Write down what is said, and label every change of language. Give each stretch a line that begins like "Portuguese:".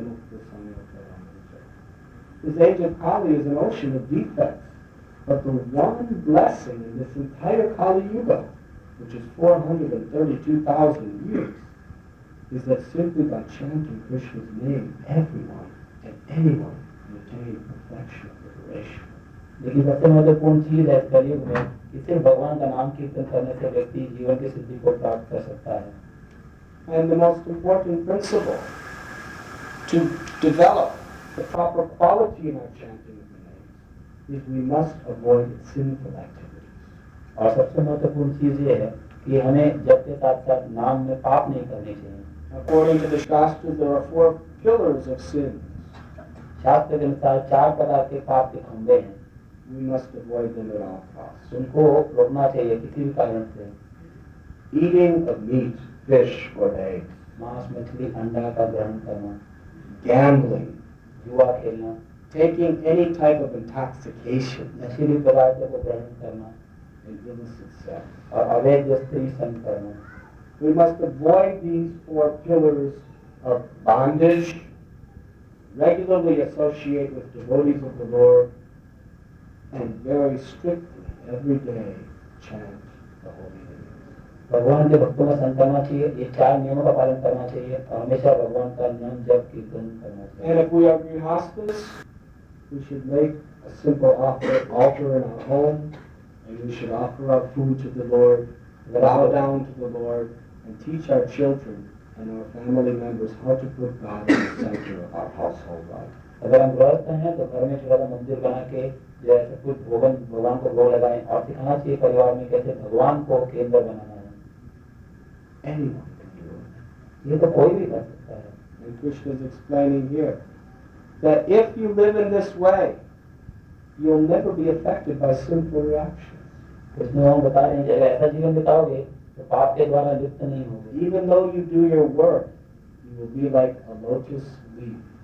English: This age of Kali is an ocean of defects, but the one blessing in this entire Kali Yuga, which is 432,000 years, is that simply by chanting Krishna's name, everyone and anyone can attain perfection of liberation.
Hindi: लेकिन सबसे महत्वपूर्ण चीज है कलयुग में कि सिर्फ भगवान का नाम कीर्तन करने से व्यक्ति जीवन की सिद्धि को प्राप्त कर सकता है।
English: And the most important principle to develop the proper quality in our chanting of the name is we must avoid sinful activities.
Hindi: और सबसे महत्वपूर्ण चीज ये है कि हमें जप के साथ साथ नाम में पाप नहीं करने चाहिए।
English: According to the Shastras, there are four pillars of sin.
Hindi: शास्त्र के अनुसार चार प्रकार के पाप के खंभे हैं।
English: We must avoid them at all costs.
Hindi: उनको रोकना चाहिए किसी भी कारण से।
English: Eating of meat, fish or eggs.
Hindi: मांस मछली अंडा का ग्रहण करना।
English: Gambling.
Hindi: जुआ खेलना।
English: Taking any type of intoxication.
Hindi: नशीली पदार्थों को ग्रहण करना।
English: And illicit sex.
Hindi: और अवैध स्त्रीसंग करना।
English: We must avoid these four pillars of bondage. Regularly associate with devotees of the Lord. And very strictly every day chant the holy name.
Hindi: भगवान के भक्तों का संकल्प करना चाहिए, ये चार नियमों का पालन करना चाहिए और हमेशा भगवान का नाम जप कीर्तन करना चाहिए।
English: And if we are grihasthas, we should make a simple altar in our home, and we should offer our food to the Lord, bow down to the Lord, and teach our children and our family members how to put God in the center of our household life.
Hindi: अगर हम गृहस्थ हैं तो घर में छोटा सा मंदिर बना के जैसे कुछ भोगन भगवान को भोग लगाएं और सिखाना चाहिए परिवार में कैसे भगवान को केंद्र बनाना है.
English: Anyone,
Hindi: ये तो कोई भी कर सकता है.
English: And Krishna is explaining here that if you live in this way, you'll never be affected by sinful reactions.
Hindi: Krishna भगवान बता रहे हैं अगर ऐसा जीवन बिताओगे तो पाप के द्वारा लिप्त नहीं होगे.
English: Even though you do your work, you will be like a lotus leaf.